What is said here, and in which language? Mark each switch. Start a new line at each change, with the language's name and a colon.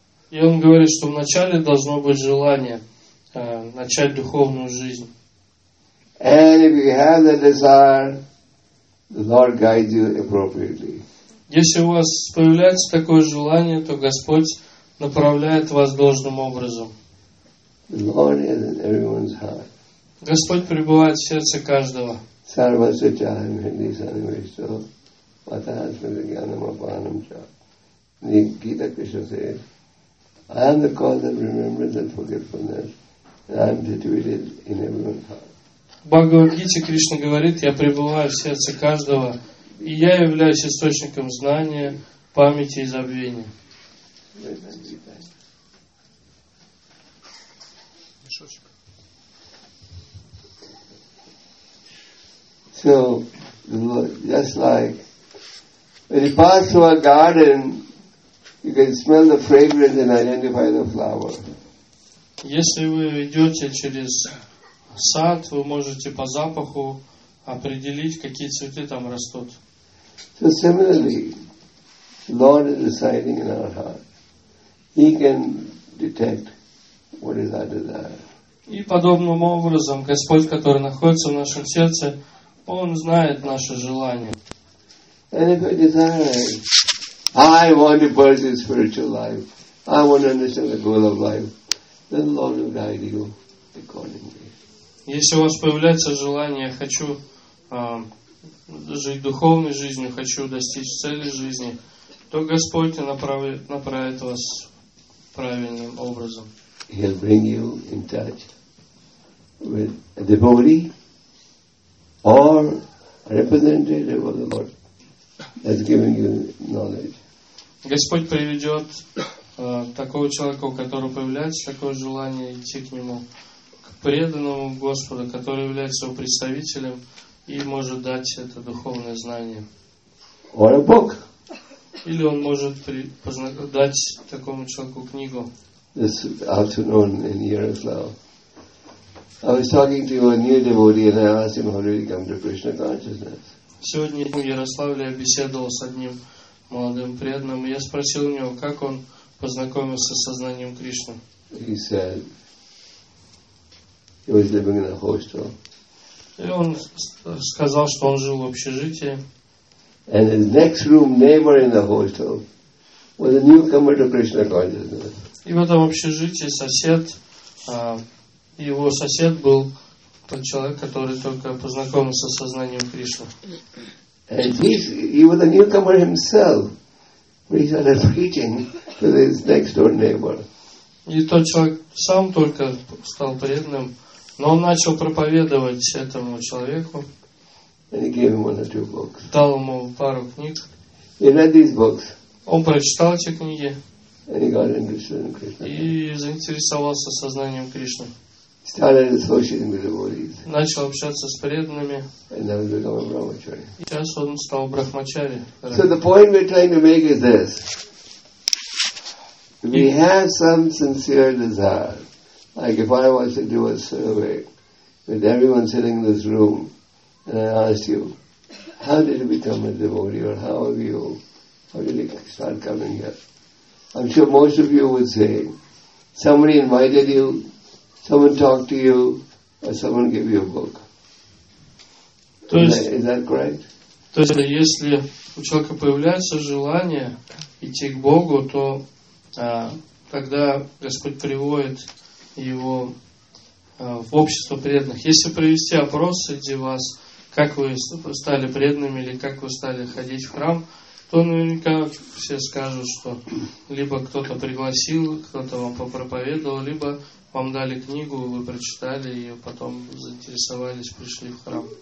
Russian: И он говорит, что вначале должно быть желание начать духовную жизнь.
English: And if you have the desire, the Lord guides you appropriately.
Russian: Если у вас появляется такое желание, то Господь направляет вас должным образом.
English: The Lord is in everyone's heart.
Russian: Господь пребывает в сердце каждого.
English: Gita Krishna says, I am the cause of remembrance and forgetfulness, and I am situated in everyone's heart.
Russian: Бхагавад-гите Кришна говорит, я пребываю в сердце каждого, и я являюсь источником знания, памяти и забвения.
English: So, just like, when you pass through a garden, you can smell the fragrance and identify the flower.
Russian: Если вы идете через сад, вы можете по запаху определить, какие цветы там растут.
English: So similarly, Lord is residing in our heart. He can detect what is our desire.
Russian: И подобным образом, Господь, который находится в нашем сердце, Он знает наше желание.
English: And if I desire, I want to pursue spiritual life, I want to understand the goal of life, then the Lord will guide you accordingly.
Russian: Если у вас появляется желание, я хочу жить духовной жизнью, хочу достичь цели жизни, то Господь направит вас правильным образом.
English: He'll bring you in touch with a devotee or a representative of the Lord that's giving you knowledge.
Russian: Господь приведет такого человека, у которого появляется такое желание, идти к нему. Преданному Господу, который является его представителем и может дать это духовное знание.
English: Or a book.
Russian: Или он может дать такому человеку книгу.
English: This afternoon in Yaroslavl, I was talking to a new devotee and I asked him how did he come to Krishna consciousness.
Russian: Сегодня в Ярославле я беседовал с одним молодым преданным, и я спросил у него, как он познакомился с сознанием Кришны.
English: He said, he was living in a hostel.
Russian: И он сказал, что он жил в общежитии.
English: And his next room neighbor in the hostel was a newcomer to Krishna consciousness.
Russian: И в этом общежитии сосед, его сосед был тот человек, который только познакомился с сознанием Кришны.
English: And he was a newcomer himself. He started preaching to his next door neighbor.
Russian: И тот человек сам только стал преданным. Но он начал проповедовать этому человеку.
English: And he gave him one or two books.
Russian: Дал ему пару книг.
English: He read these books.
Russian: Он прочитал эти книги.
English: And he got interested in Krishna.
Russian: И заинтересовался сознанием Кришны.
English: Started associating with devotees.
Russian: Начал общаться с преданными.
English: And then he became a brahmachari.
Russian: И сейчас он стал брахмачари.
English: So the point we're trying to make is this. We have some sincere desire. Like if I was to do a survey with everyone sitting in this room and I asked you, how did you become a devotee or how did you start coming here? I'm sure most of you would say, somebody invited you, someone talked to you, or someone gave you a book. Is that correct?
Russian: То есть, если у человека появляется желание идти к Богу, то когда Господь приводит его в общество преданных. Если провести опрос среди вас, как вы стали преданными или как вы стали ходить в храм, то наверняка все скажут, что либо кто-то пригласил, кто-то вам попроповедовал, либо вам дали книгу, вы прочитали ее, потом заинтересовались, пришли в храм.